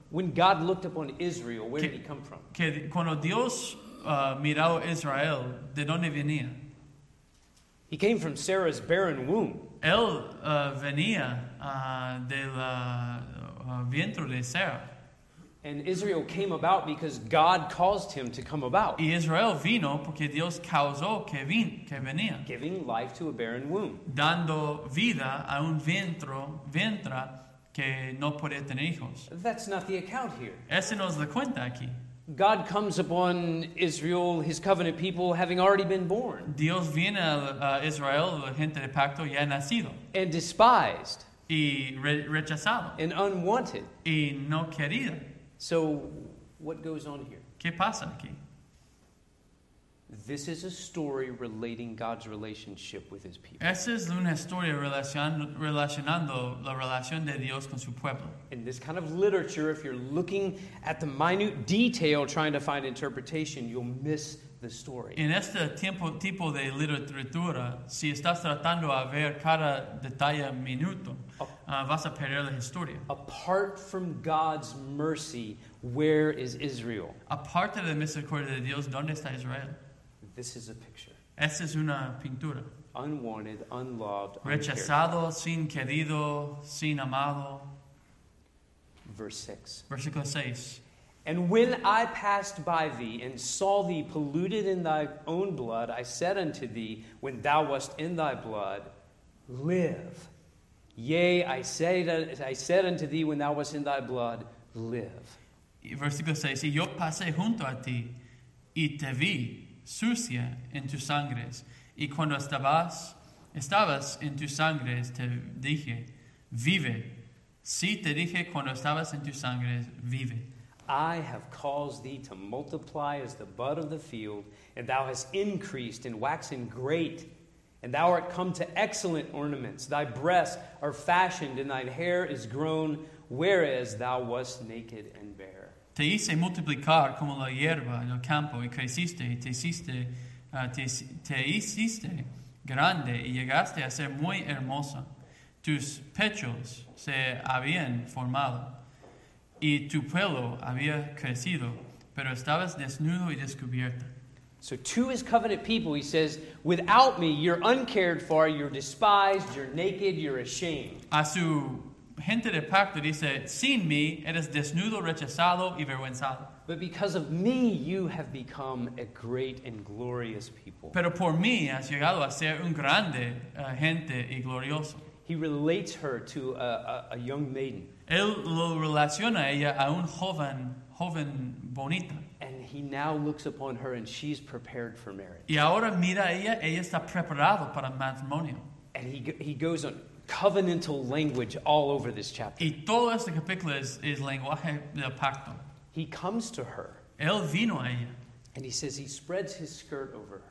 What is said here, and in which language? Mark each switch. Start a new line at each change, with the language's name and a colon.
English: When God looked upon Israel, where did he come from?
Spanish: Que cuando Dios miró a Israel, ¿de dónde venía?
English: He came from Sarah's barren womb.
Spanish: Él venía del vientre de Sarah.
English: And Israel came about because God caused him to come about.
Spanish: Y Israel vino porque Dios causó que venía.
English: Giving life to a barren womb.
Spanish: Dando vida a un vientre que no puede tener hijos.
English: That's not the account here.
Spanish: Ese no es la cuenta aquí.
English: God comes upon Israel, his covenant people, having already been born.
Spanish: Dios viene a Israel, la gente de pacto, ya nacido.
English: And despised.
Spanish: Y rechazado.
English: And unwanted.
Spanish: Y no querido.
English: So, what goes on here?
Spanish: ¿Qué pasa aquí?
English: This is a story relating God's relationship with his people.
Spanish: Esa es una historia relacionando la relación de Dios con su pueblo.
English: In this kind of literature, if you're looking at the minute detail trying to find interpretation, you'll miss the story.
Spanish: En este tipo de literatura, si estás tratando a ver cada detalle minuto, vas a perder la historia.
English: Apart from God's mercy, where is Israel?
Spanish: Aparte de la misericordia de Dios, ¿dónde está Israel?
English: This is a picture.
Spanish: Esa es una pintura.
English: Unwanted, unloved,
Spanish: rechazado, sin querido, sin amado.
English: Verse 6. And when I passed by thee and saw thee polluted in thy own blood, I said unto thee, when thou wast in thy blood, live. Yea, I said unto thee, when thou wast in thy blood, live.
Spanish: Versículo 6. Y yo pasé junto a ti y te vi sucia en tus sangres, y cuando estabas en tus sangres, te dije, vive. Sí, te dije, cuando estabas en tus sangres, vive.
English: I have caused thee to multiply as the bud of the field, and thou hast increased and waxen great, And thou art come to excellent ornaments. Thy breasts are fashioned, and thy hair is grown, whereas thou wast naked and bare.
Spanish: Te hice multiplicar como la hierba en el campo, y creciste, y te hiciste grande, y llegaste a ser muy hermosa. Tus pechos se habían formado, y tu pelo había crecido, pero estabas desnudo y descubierta.
English: So to his covenant people, he says, without me, you're uncared for, you're despised, you're naked, you're ashamed.
Spanish: A su gente de pacto dice, sin mí, eres desnudo, rechazado y avergonzado.
English: But because of me, you have become a great and glorious people.
Spanish: Pero por mí, has llegado a ser un grande gente y glorioso.
English: He relates her to a young maiden.
Spanish: Él lo relaciona a ella a un joven bonita.
English: And he now looks upon her and she's prepared for marriage.
Spanish: Y ahora mira a ella, ella está preparada para matrimonio.
English: And he goes on covenantal language all over this chapter.
Spanish: Y todo este capítulo es lenguaje de pacto.
English: He comes to her.
Spanish: Él vino a ella.
English: And he says he spreads his skirt over her.